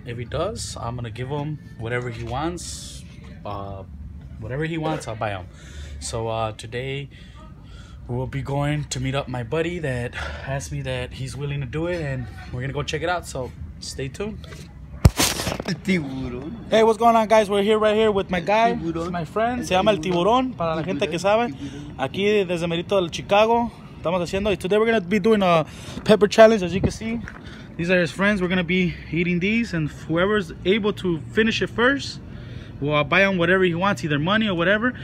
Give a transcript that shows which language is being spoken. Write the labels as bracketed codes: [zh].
[en] If he does, I'm gonna give him whatever he wants. I'll buy him. So today we'll be going to meet up my buddy that asked me that he's willing to do it, and we're gonna go check it out, so stay tuned. Hey, what's going on, guys? We're here right here with my guy, my friend. [es] Se llama El Tiburón, para la gente que sabe. Aquí desde Merito del Chicago, estamos haciendo. [en] Y today we're gonna be doing a pepper challenge, as you can see. These are his friends. We're gonna be eating these, and whoever's able to finish it first, well, I'll buy him whatever he wants, either money or whatever.